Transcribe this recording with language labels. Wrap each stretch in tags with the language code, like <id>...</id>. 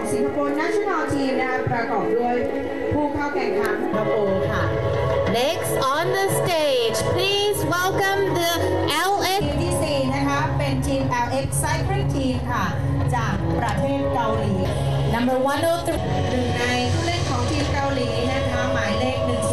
<th>Singapore national team นะประกอบด้วยผู้เข้าแข่งขันสิงคโปร์ค่ะ</th> <en>next on the stage please welcome the LX</en> <th>TDC นะคะเป็นทีม LX Cycling Team ค่ะจากประเทศเกาหลี</th> <en>number 103</en> <th>หนึ่งในผู้เล่นของทีมเกาหลีนะคะหมายเลข1</th>